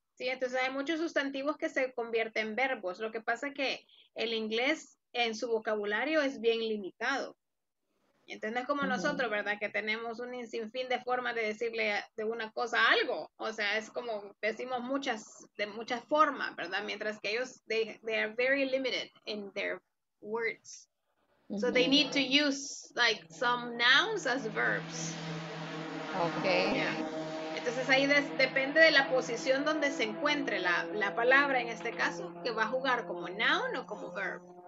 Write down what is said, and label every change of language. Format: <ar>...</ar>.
<es>Sí, entonces hay muchos sustantivos que se convierten en verbos. Lo que pasa es que el inglés en su vocabulario es bien limitado. Entonces no es como uh-huh. Nosotros, ¿verdad? Que tenemos un sinfín de formas de decirle de una cosa a algo. O sea, es como decimos muchas, de muchas formas, ¿verdad? Mientras que ellos,</es> <en>they are very limited in their words. So uh-huh. They need to use, like, some nouns as verbs. Okay. Yeah.</en> <es>Entonces ahí depende de la posición donde se encuentre la palabra, en este caso, que va a jugar como noun o como verb.</es>